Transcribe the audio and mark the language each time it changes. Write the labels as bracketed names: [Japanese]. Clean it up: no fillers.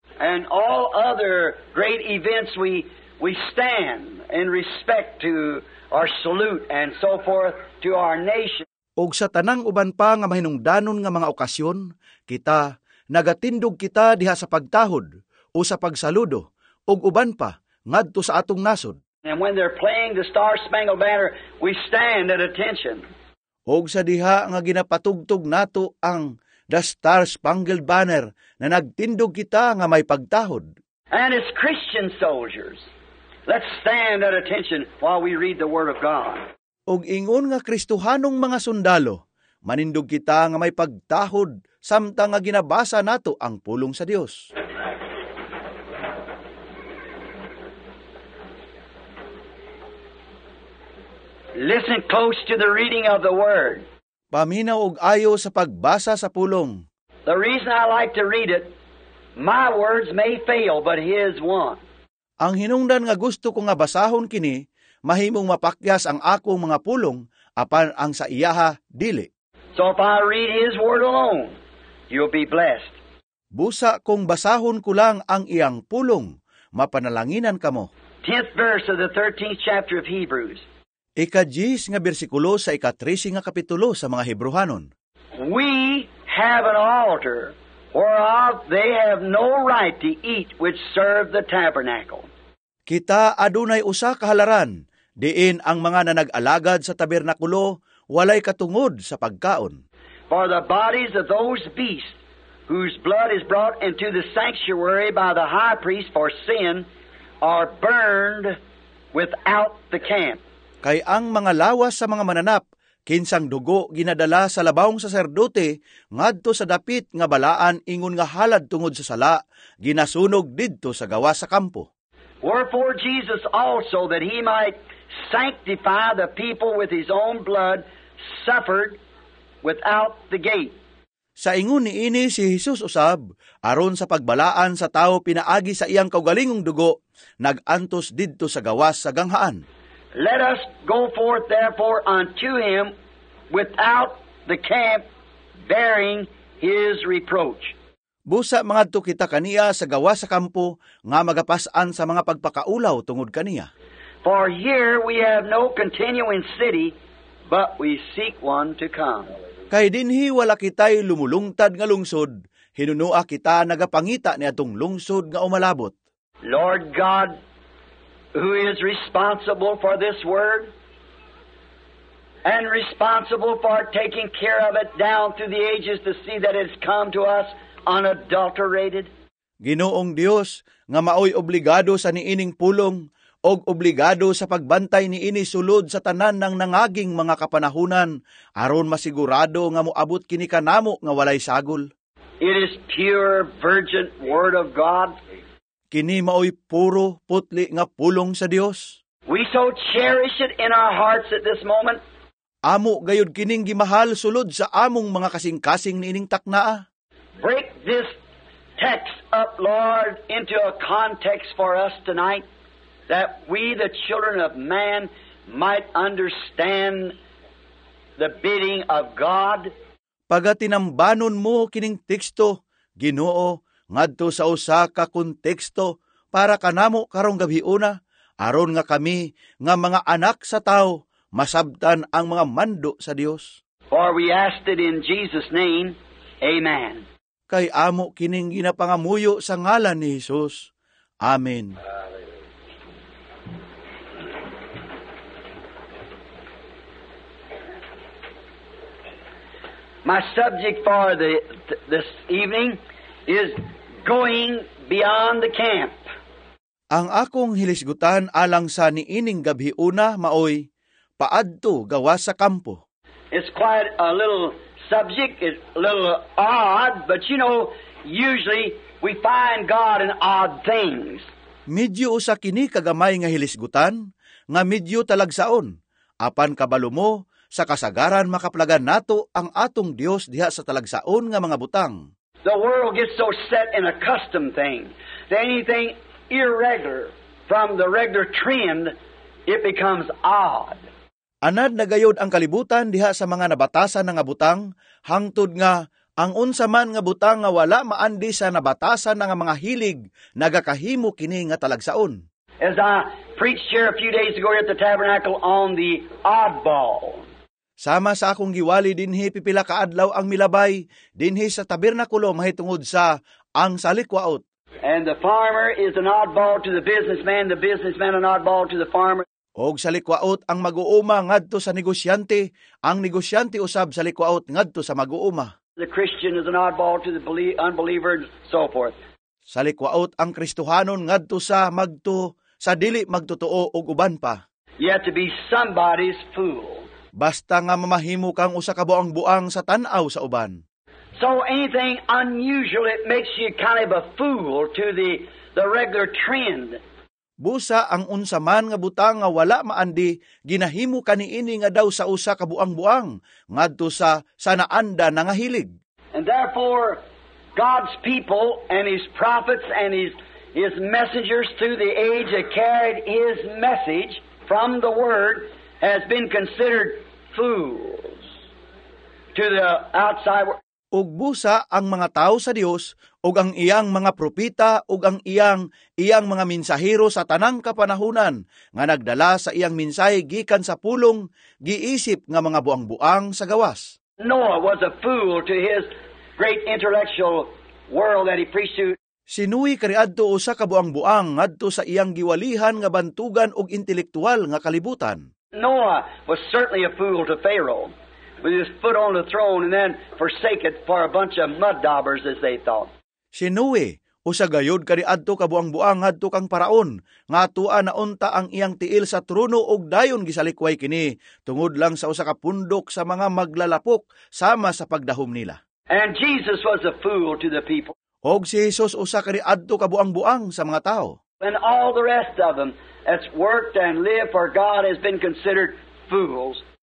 [English] And all other great events we stand in respect to our salute and so forth to our nation. [Cebuano] Og sa tanang uban pa nga mahinungdanon nga mga okasyon, kita nagatindog kita diha sa pagtahod o sa pagsaludo og uban pa ngadto sa atong nasod. [English] And when they're playing the Star-Spangled Banner, we stand at attention. [Cebuano] Og sa diha nga ginapatugtog nato ang the Star-Spangled Banner na nagtindog kita nga may pagtahod. [English] And as Christian soldiers, let's stand at attention while we read the Word of God. [Cebuano] Og ingon nga Kristuhanong mga sundalo, manindog kita nga may pagtahod samtang nga ginabasa nato ang pulong sa Dios. [English] Listen close to the reading of the Word. [Cebuano] Paminaw og ayo sa pagbasa sa pulong. [English] The reason I like to read it, my words may fail, but His won. [Cebuano] Ang hinungdan nga gusto ko nga basahon kini, mahimong mapakyas ang akong mga pulong, apan ang sa iyaha, dili. [English] So if I read His word alone, you'll be blessed. [Cebuano] Busa kung basahon ko lang ang iyang pulong, mapanalanginan ka mo. [English] 10th verse of the 13th chapter of Hebrews. [Cebuano] Ika-10 nga bersikulo sa ika-13 nga kapitulo sa mga Hebruhanon. [English] We have an altar whereof they have no right to eat which serve the tabernacle. [Cebuano] Kita adunay usa kahalaran, diin ang mga nanag-alagad sa tabernakulo walay katungod sa pagkaon. [English] For the bodies of those beasts whose blood is brought into the sanctuary by the high priest for sin are burned without the camp. [Cebuano] Kay ang mga lawas sa mga mananap, kinsang dugo ginadala sa labawong saserdote ngadto sa dapit nga balaan ingon nga halad tungod sa sala, ginasunog didto sa gawa sa kampo. [English] Wherefore Jesus also, that he might sanctify the people with his own blood, suffered without the gate. [Cebuano] Sa ingon niini si Jesus usab, aron sa pagbalaan sa tao pinaagi sa iyang kaugalingong dugo, nagantos didto sa gawas sa ganghaan. [English] Let us go forth therefore unto him without the camp, bearing his reproach. [Cebuano] Busa mangadto kita kaniya sa gawas sa kampo, nga magapasan sa mga pagpakaulaw tungod kaniya. [English] For here we have no continuing city, but we seek one to come. [Cebuano] Kay dinhi wala kita'y lumulungtad nga lungsod, hinunua kita nagapangita ni atong lungsod nga umalabot. [English] Lord God, who is responsible for this word and responsible for taking care of it down through the ages to see that it's come to us unadulterated. [Cebuano] Ginoong Dios nga maoy obligado sa niining pulong og obligado sa pagbantay niini sulod sa tanan ng nangaging mga kapanahunan aron masigurado nga moabot kini kanamo nga walay sagol. [English] It is pure virgin word of God. [Cebuano] Kini maoy puro putli nga pulong sa Dios. [English] We so cherish it in our hearts at this moment. [Cebuano] Amo gayud kining gimahal sulod sa among mga kasing-kasing niining taknaa. [English] Break this text up, Lord, into a context for us tonight, that we, the children of man, might understand the bidding of God. [Cebuano] Pagatinambanon mo kining teksto, Ginoo, ngadto sa usa ka konteksto para kanamo karong gabiuna, aron nga kami nga mga anak sa tao masabtan ang mga mando sa Dios. [English] For we ask it in Jesus' name, amen. [Cebuano] Kay amo kining ginapangamuyo sa ngalan ni Jesus. Amen. [English] My subject for this evening is going beyond the camp. [Cebuano] Ang akong hilisgutan alang sa niining gabhiuna maoy paadto gawas sa kampo. [English] It's quite a little subject, is a little odd, but you know, usually we find God in odd things. [Cebuano] Medyo usa kini kagamay nga hilisgutan nga medyo talagsaon, apan kabalo mo sa kasagaran makaplagan nato ang atong Dios diha sa talagsaon nga mga butang. [English] The world gets so set in a custom thing that anything irregular from the regular trend, it becomes odd. [Cebuano] Anad na gayod ang kalibutan diha sa mga nabatasan nga butang, hangtod nga ang unsa man nga butang nga wala maandi sa nabatasan nga mga hilig nagakahimo kini nga talagsaon. [English] As I preached here a few days ago at the tabernacle on the oddball. [Cebuano] Sama sa akong giwali dinhi pipila kaadlaw ang milabay dinhi sa tabernakulo mahitungod sa ang salikwaot. [English] And the farmer is an oddball to the businessman an oddball to the farmer. [Cebuano] Og sa likwaot ang mag-uuma ngadto sa negosyante, ang negosyante usab sa likwaot ngadto sa mag-uuma. [English] The Christian is an oddball to the unbeliever and so forth. [Cebuano] Sa likwaot ang Kristuhanon ngadto sa magto, sa dili magtotoo og uban pa. [English] Yet to be somebody's fool. [Cebuano] Basta nga mamahimo kang usa ka buang-buang sa tan-aw sa uban. [English] So anything unusual, it makes you kind of a fool to the regular trend. [Cebuano] Busa ang unsaman nga butang nga wala maandi, ginahimo kaniini nga daw sa usa ka buang-buang, ngadto sa sana anda na nga hilig. [English] And therefore, God's people and His prophets and His messengers through the age have carried His message from the Word has been considered fools to the outside world. [Cebuano] Ug busa ang mga tao sa Dios ug ang iyang mga propeta ug ang iyang mga mensahero sa tanang kapanahunan nga nagdala sa iyang mensahe gikan sa pulong giisip nga mga buang-buang sa gawas. [English] Noah was a fool to his great intellectual world that he preached to. [Cebuano] Si Noe kariadto usa ka buang-buang ngadto sa iyang giwalihan nga bantugan ug intelektual nga kalibutan. [English] Noah was certainly a fool to Pharaoh. With his foot on the throne and then forsake it for a bunch of mud daubers, as they thought. [Cebuano] Si Noe, usagayod kadi adto kabuang-buang adto kang paraon, nga tua na unta ang iyang tiil sa truno og dayon gisalikway kini, tungod lang sa usa ka pundok sa mga maglalapok sama sa pagdahom nila. [English] And Jesus was a fool to the people. [Cebuano] Og si Jesus usagayod adto kabuang-buang sa mga tao. [English] And all the rest of them that's worked and lived for God has been considered fools.